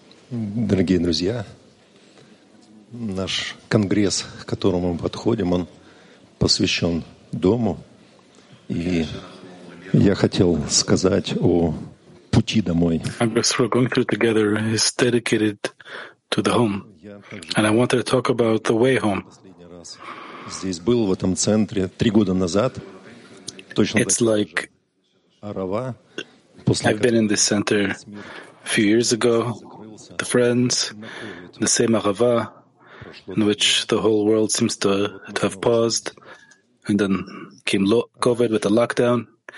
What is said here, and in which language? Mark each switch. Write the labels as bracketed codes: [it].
[ru] Дорогие друзья, наш конгресс, к которому мы подходим, он посвящен дому. И я хотел сказать о пути домой. [en] Congress we're going through together is dedicated to the home. And I wanted to talk about the way home. [ru] Здесь был в этом центре 3 года назад. [en] It's like I've been in this center a few years ago, the friends, the same Arava, in which the whole world seems to have paused, and then came COVID with the lockdown.